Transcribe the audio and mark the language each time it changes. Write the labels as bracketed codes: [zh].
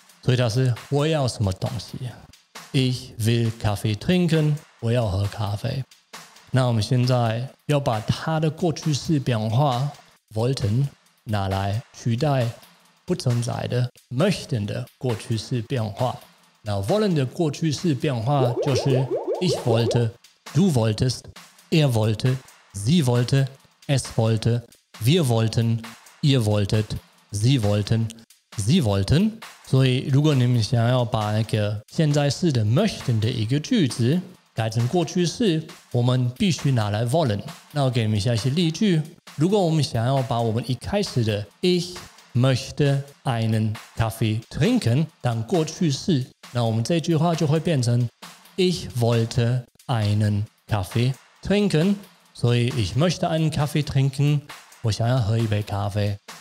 [zh] 所以它是我要什么东西， [de] ich will Kaffee trinken， [zh] 我要喝咖啡。那我们现在要把它的过去式变化 wollten 拿来取代不存在的 möchten 的过去式变化。那 [de] wollen [zh] 的过去式变化就是 [de] ich wollte， du wolltest， er wollte， sie wollte， es wollte， wir wollten， ihr wolltet， sie wollten， sie wollten。 [zh] 所以如果你们想要把那个现在式的 möchten 的一个句子改成过去式，我们必须拿来 wollen。那我给你们一下一些例句，如果我们想要把我们一开始的 [de] ich möchte einen Kaffee trinken [zh] 当过去式，那我们这句话就会变成 [de] ich wollte einen Kaffee trinken， [zh] 所以 ich möchte einen Kaffee trinken， 我想要喝一杯咖啡。